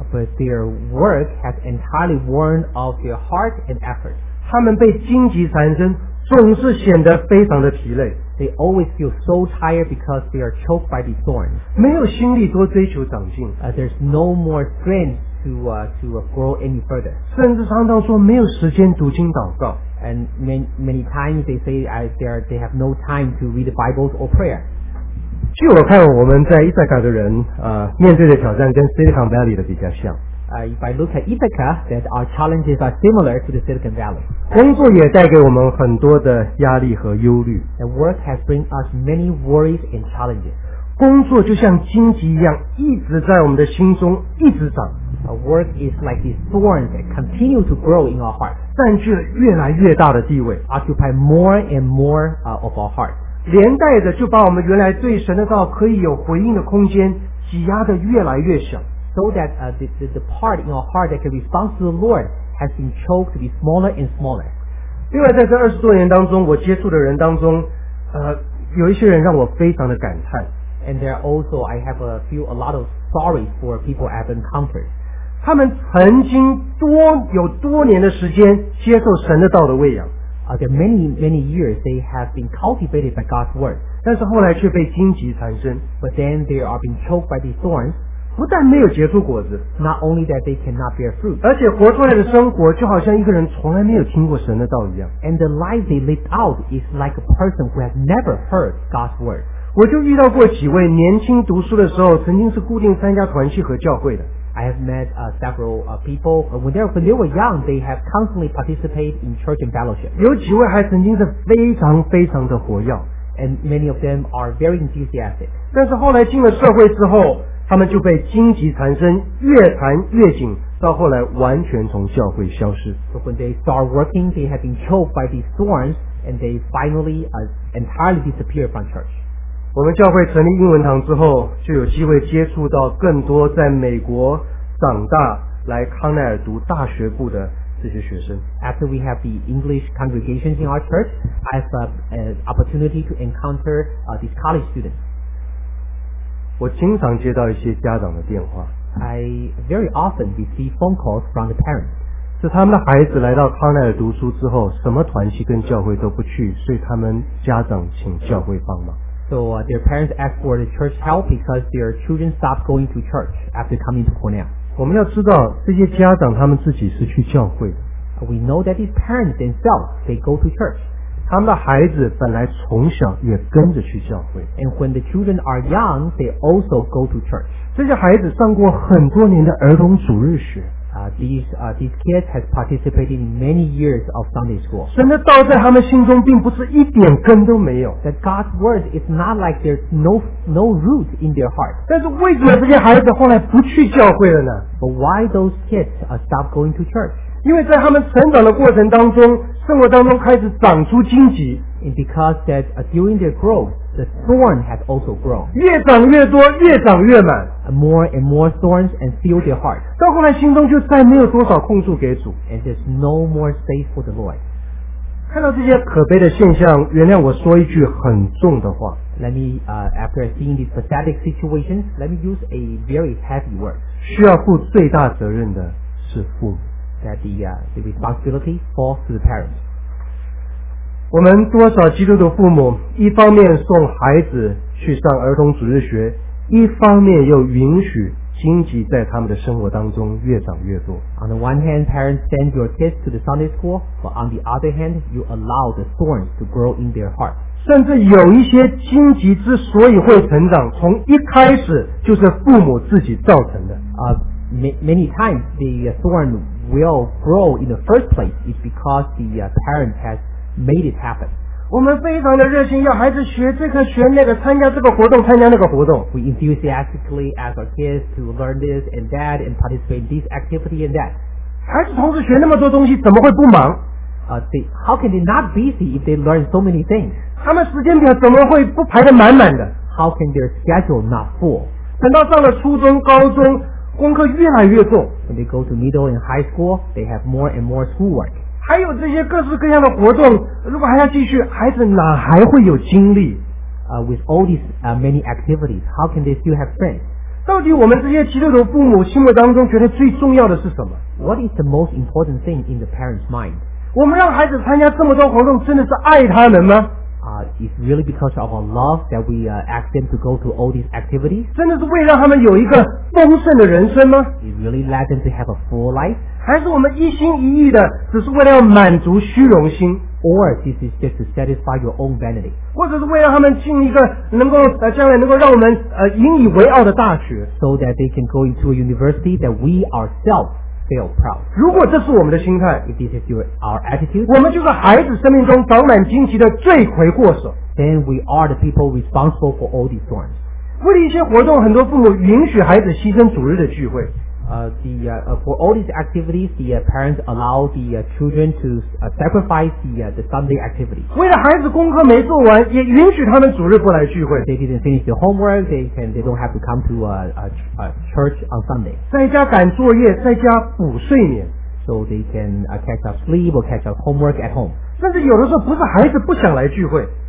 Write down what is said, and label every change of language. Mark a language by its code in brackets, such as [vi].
[en] but their work has entirely worn off their heart and effort. [zh] 他们被荆棘缠身，总是显得非常的疲累。 [en] They always feel so tired because they are choked by the thorns. [zh] 没有心力多追求长进。 [en] There's no more strength to grow any further. [zh] 甚至常常说没有时间读经祷告。 [en] And many times they say they have no time to read the Bibles or prayer. [zh] 据我看，我们在 Ithaca 的人，面对的挑战跟 Silicon Valley 的比较像。 [en] If I look at Ithaca, that our challenges are similar to the Silicon Valley. [zh] 工作也带给我们很多的压力和忧虑。 [en] The work has bring us many worries and challenges. [zh] 工作就像荆棘一样，一直在我们的心中一直长。 [en] Work is like the thorns that continue to grow in our heart. [zh] 占据了越来越大的地位 [en] ，occupy more and more of our heart. [zh] 连带着就把我们原来对神的道可以有回应的空间挤压得越来越小。 [en] So that the part in our heart that can respond to the Lord has been choked to be smaller and smaller. [zh] 另外在这二十多年当中我接触的人当中有一些人让我非常的感叹。 [en] And there are also, I have a lot of stories for people I have encountered. [zh] 他们曾经多年的时间接受神的道的喂养。 [en] There are many, many years they have been cultivated by God's word. [zh] 但是后来却被荆棘缠身。 [en] But then they are being choked by these thorns. [zh] 不但没有结出果子。 [en] Not only that they cannot bear fruit. [zh] 而且活出来的生活就好像一个人从来没有听过神的道一样。 [en] And the life they lived out is like a person who has never heard God's word. [zh] 我就遇到过几位年轻读书的时候曾经是固定参加团契和教会的。 [en] I have met several people. When they were young, they have constantly participated in church and fellowship. [zh] 有几位还曾经是非常非常的活跃。 [en] And many of them are very enthusiastic. [zh] 但是后来进了社会之后，他们就被荆棘缠身，越缠越紧，到后来完全从教会消失。 [en] So when they start working, they have been choked by these thorns, and they finally entirely disappear from church. [zh] 我们教会成立英文堂之后，就有机会接触到更多在美国长大来康奈尔读大学部的这些学生。 [en] After we have the English congregations in our church, I have an opportunity to encounter these college students. [zh] 我经常接到一些家长的电话。 [en] I very often receive phone calls from the parents. [zh] 是他们的孩子来到康奈尔读书之后，什么团契跟教会都不去，所以他们家长请教会帮忙。 [en] So their parents ask for the church help because their children stopped going to church after coming to Cornell. [zh] 我们要知道这些家长他们自己是去教会的。 [en] We know that these parents themselves, they go to church. [zh] 他们的孩子本来从小也跟着去教会。 [en] And when the children are young, they also go to church. [zh] 这些孩子上过很多年的儿童主日学。 [en] These kids have participated in many years of Sunday school. [zh] 神的道在他们心中并不是一点根都没有。 [en] That God's word is not like there's no root in their heart. [zh] 但是为什么这些孩子后来不去教会了呢？ [en] But why those kids stop going to church? [zh] 因为在他们成长的过程当中，生活当中开始长出荆棘。 [en] And because that during their growth,the thorn has also grown. [zh] 越长越多，越长越满。 [en] More and more thorns and fill their heart. [zh] 到后来心中就再没有多少空处给主。 [en] And there's no more space for the Lord. [zh] 看到这些可悲的现象，原谅我说一句很重的话。 [en] Let me, after seeing these pathetic situations, let me use a very heavy word. [zh] 需要负最大责任的是父母。 [en] That the responsibility falls to the parents. [zh] 我们多少基督的父母一方面送孩子去上儿童主日学，一方面又允许荆棘在他们的生活当中越长越多。 [en] On the one hand, parents send your kids to the Sunday school, but on the other hand, you allow the thorns to grow in their heart. [zh] 甚至有一些荆棘之所以会成长，从一开始就是父母自己造成的。 [en] Many times the thorn will grow in the first place is because the parent hasmade it happen. [zh] 我们非常的热心，要孩子学这个学那个，参加这个活动参加那个活动。 [en] We enthusiastically ask our kids to learn this and that and participate in this activity and that. [zh] 孩子同时学那么多东西怎么会不忙？ [en] How can they not be busy if they learn so many things? [zh] 他们时间表怎么会不排得满满的？ [en] How can their schedule not full? [zh] 等到上了初中高中，功课越来越重。 [en] When they go to middle and high school, they have more and more schoolwork. [zh] 还有这些各式各样的活动，如果还要继续，孩子哪还会有精力？ [en] With all these many activities, how can they still have friends? [zh] 到底我们这些基督徒父母心目当中觉得最重要的是什么？ [en] What is the most important thing in the parents' mind? [zh] 我们让孩子参加这么多活动，真的是爱他们吗？ [en] It's really because of our love that we ask them to go to all these activities? [zh] 真的是为让他们有一个丰盛的人生吗？ [en] It really led them to have a full life? [zh] 还是我们一心一意的只是为了要满足虚荣心？ [en] Or this is just to satisfy your own vanity? [zh] 或者是为了他们进一个能够将来能够让我们引以为傲的大学？ [en] So that they can go into a university that we ourselves feel proud. [zh] 如果这是我们的心态， [en] if this is our attitude, [zh] 我们就是孩子生命中长满荆棘的罪魁祸首。 [en] Then we are the people responsible for all these thorns. [zh] 为了一些活动，很多父母允许孩子牺牲主日的聚会。 [en] For all these activities, the parents allow the children to sacrifice the Sunday activity. [zh] 为了孩子功课没做完，也允许他们主日不来聚会。 [en] They didn't finish their homework. They don't have to come to church on Sunday. [zh] 在家赶作业，在家补睡眠。 [en] So they can catch up sleep or catch up homework at home. [zh] 甚至有的时候不是孩子不想来聚会。